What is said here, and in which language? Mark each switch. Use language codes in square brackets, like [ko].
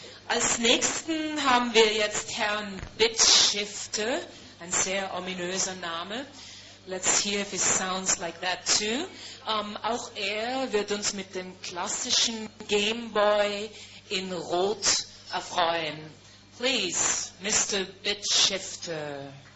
[de] Als nächsten haben wir jetzt Herrn Bitshifter, ein sehr ominöser Name. [en] Let's hear if it sounds like that too. [de] Auch er wird uns mit dem klassischen Game Boy in Rot erfreuen. [en] Please, Mr. Bitshifter.